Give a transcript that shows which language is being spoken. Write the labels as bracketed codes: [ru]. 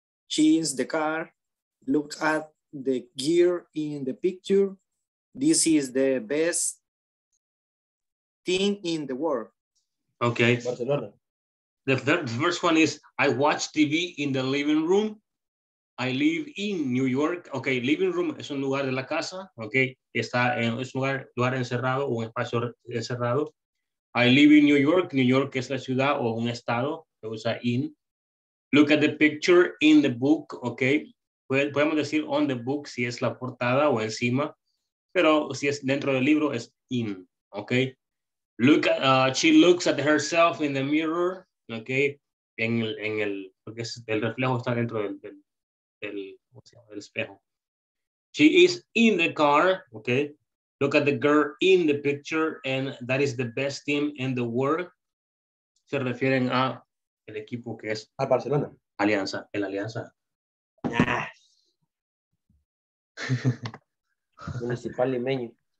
[en] She is the car. Look at the gear in the picture. This is the best thing in the world. Okay. Barcelona. The first one is, I watch TV in the living room. I live in New York. [es] Okay, [en] living room [es] es un lugar de la casa. Okay, está en, es un lugar, lugar encerrado o un espacio encerrado. [en] I live in New York. [es] New York es la ciudad o un estado. Se usa [en] in. Look at the picture in the book. [es] Okay, podemos decir [en] on the book [es] si es la portada o encima. Pero si es dentro del libro es in. [en] Okay, look at, she looks at herself in the mirror. [es] Okay, en el porque es, el reflejo está dentro del, del el espejo. [en] She is in the car. Okay, look at the girl in the picture, and that is the best team in the world. [es] Se refieren a el equipo que es al Barcelona. Alianza, el Alianza. [en] Yes. [es] Municipal limeño.